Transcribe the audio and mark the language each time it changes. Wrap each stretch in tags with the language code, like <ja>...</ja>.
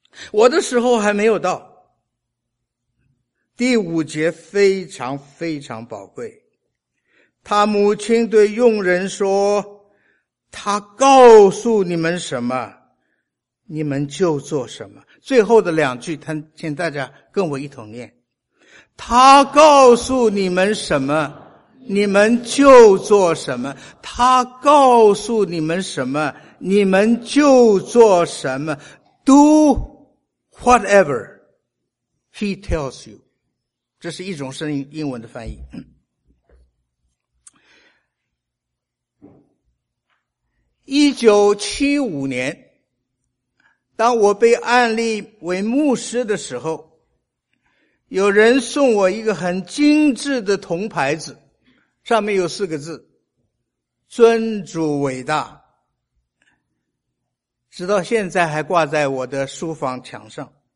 <zh>我的时候还没有到。第五节非常非常宝贵，他母亲对佣人说，他告诉你们什么，你们就做什么。最后的两句，他请大家跟我一同念，他告诉你们什么，你们就做什么。他告诉你们什么，你们就做什么。</zh> <en>Do whatever he tells you.</en> <zh>这是一种声音，英文的翻译。 1975年当我被案例为牧师的时候，有人送我一个很精致的铜牌子，上面有四个字，尊主伟大，直到现在还挂在我的书房墙上。</zh>